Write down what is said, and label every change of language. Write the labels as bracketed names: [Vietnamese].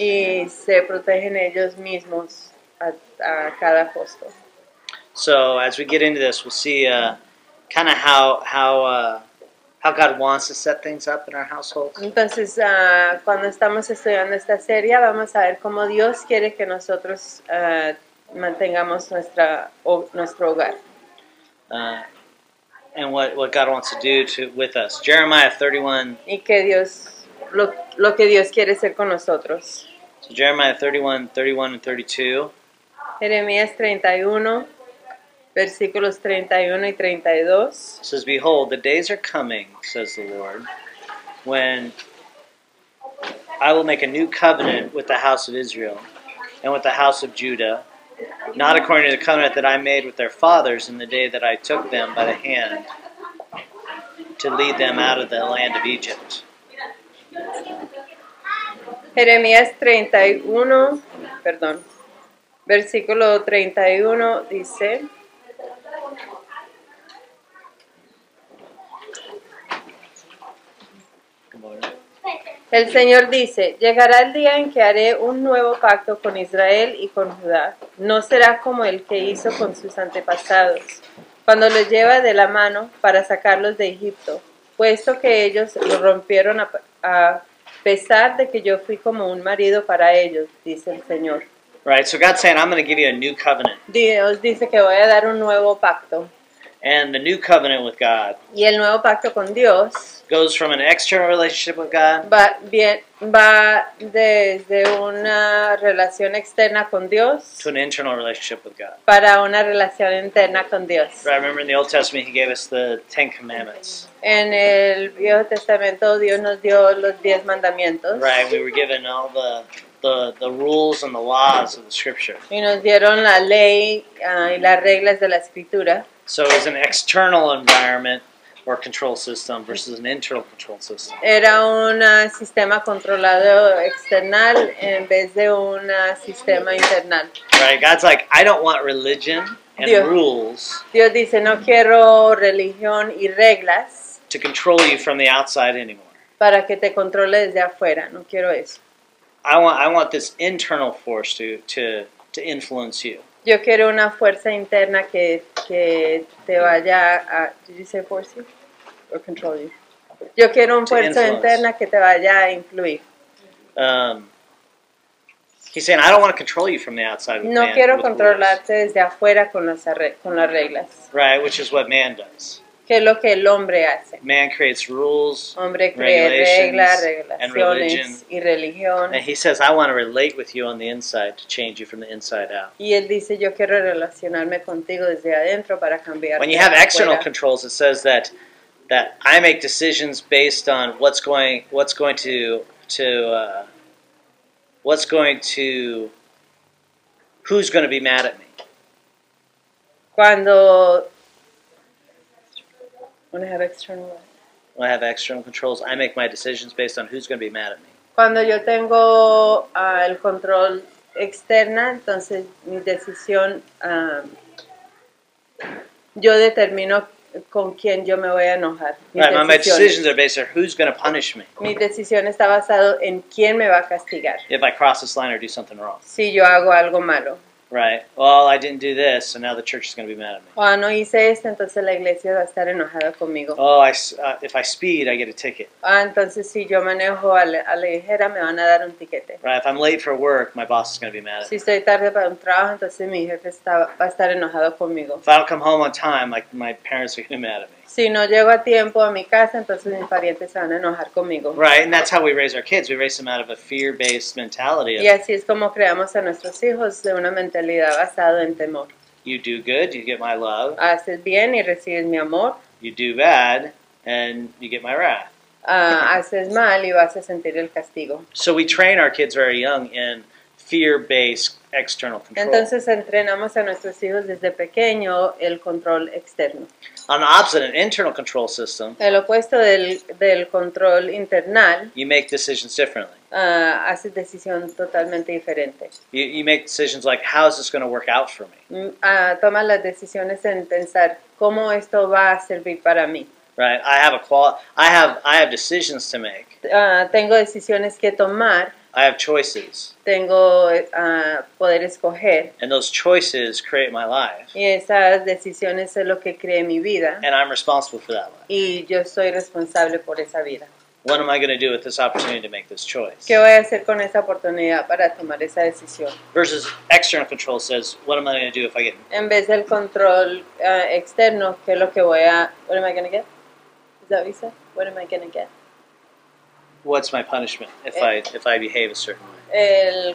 [Spanish] Y se protegen ellos mismos a cada costo. [English] So as we get into this, we'll see kind of how God wants to set things up in our households. [Spanish] Entonces, cuando estamos estudiando esta serie, vamos a ver cómo Dios quiere que nosotros mantengamos nuestro hogar. [English] And what God wants to do with us. Jeremiah 31. [Spanish] Y que Dios... Lo que Dios quiere hacer con nosotros. [English] So Jeremiah 31, 31 and 32. [Spanish] Jeremías 31, versículos 31 y 32. [English] It says, "Behold, the days are coming, says the Lord, when I will make a new covenant with the house of Israel and with the house of Judah, not according to the covenant that I made with their fathers in the day that I took them by the hand to lead them out of the land of Egypt." [Spanish] Jeremías 31, perdón, versículo 31 dice: El Señor dice: Llegará el día en que haré un nuevo pacto con Israel y con Judá. No será como el que hizo con sus antepasados, cuando los lleva de la mano para sacarlos de Egipto, puesto que ellos lo rompieron a pesar de que yo fui como un marido para ellos, dice el Señor. [English] Right, so God's saying, I'm going to give you a new covenant. [Spanish] Dios dice que voy a dar un nuevo pacto. [English] And the new covenant with God. [Spanish] Y el nuevo pacto con Dios. [English] Goes from an external relationship with God. [Spanish] Va desde una relación externa con Dios. [English] To an internal relationship with God. [Spanish] Para una relación interna con Dios. [English] Right, I remember in the Old Testament, He gave us the Ten Commandments. [Spanish] En el Viejo Testamento, Dios nos dio los Diez Mandamientos. [English] Right, we were given all the rules and the laws of the Scripture. [Spanish] Y nos dieron la ley y las reglas de la Escritura. [English] So it was an external environment or control system versus an internal control system. [Spanish] Era un sistema controlado external en vez de un sistema internal. [English] Right, God's like, I don't want religion and Dios, rules. [Spanish] Dios dice, no quiero religión y reglas. [English] To control you from the outside anymore. [Spanish] Para que te controle desde afuera, no quiero eso. [English] I want this internal force to influence you. [Spanish] Yo quiero una fuerza interna que te vaya a... [English] Did you say force you? Or control you? [Spanish] Yo quiero una fuerza [English] influence. [Spanish] Interna que te vaya a influir. [English] He's saying, I don't want to control you from the outside. [Spanish] No [English] man, [Spanish] quiero [English] with [Spanish] controlarte [English] rules. [Spanish] Desde afuera con las reglas. [English] Right, which is what man does. [Spanish] que es lo que el hombre hace. [English] Man creates rules, [Spanish] hombre crea reglas, regulaciones, [English] and religion. [Spanish] Y religión. [English] And he says, I want to relate with you on the inside to change you from the inside out. [Spanish] Y él dice, yo quiero relacionarme contigo desde adentro para cambiarte. [English] When you have external controls, it says that I make decisions based on who's going to be mad at me. [Spanish] Cuando [English] when I have external, when I have external controls, I make my decisions based on who's going to be mad at me. [Spanish] Cuando yo tengo el control externa, entonces mi decisión, yo determino con quién yo me voy a enojar. [English] My decisions are based on who's going to punish me. [Spanish] Mi decisión está basado en quién me va a castigar. [English] If I cross this line or do something wrong. [Spanish] Si yo hago algo malo. [English] Right. Well, I didn't do this, so now the church is going to be mad at me. [Spanish] Oh, no hice esto, entonces la iglesia va a estar enojada conmigo. [English] Oh, if I speed, I get a ticket. [Spanish] Ah, entonces si yo manejo a la ligera, me van a dar un tiquete. [English] Right. If I'm late for work, my boss is going to be mad at me. [Spanish] Si estoy tarde para un trabajo, entonces mi jefe va a estar enojado conmigo. [English] If I don't come home on time, my parents are going to be mad at me. [Spanish] Si no llego a tiempo a mi casa, entonces mis parientes se van a enojar conmigo. [English] Right, and that's how we raise our kids. We raise them out of a fear-based mentality. [Spanish] Y así es como creamos a nuestros hijos, de una mentalidad basada en temor. [English] You do good, you get my love. [Spanish] Haces bien y recibes mi amor. [English] You do bad, and you get my wrath. [Spanish] Haces mal y vas a sentir el castigo. [English] So we train our kids very young in fear-based external control. [Spanish] Entonces entrenamos a nuestros hijos desde pequeño el control externo. [English] On the opposite, an internal control system. [Spanish] El opuesto del control internal. [English] You make decisions differently. [Spanish] Hace decisión totalmente diferente. [English] You make decisions like, how is this going to work out for me? [Spanish] Toma las decisiones en pensar cómo esto va a servir para mí. [English] Right. I have decisions to make. [Spanish] Tengo decisiones que tomar. [English] I have choices. [Spanish] Tengo poder escoger. [English] And those choices create my life. [Spanish] Y esas decisiones es lo que crea mi vida. [English] And I'm responsible for that life. [Spanish] Y yo soy responsable por esa vida. [English] What am I going to do with this opportunity to make this choice? [Spanish] ¿Qué voy a hacer con esa oportunidad para tomar esa decisión? [English] Versus external control says, what am I going to do if I get? [Spanish] En vez del control externo, ¿qué es lo que voy a? [English] What am I going to get? Is that visa? What am I going to get? What's my punishment if I behave a certain way?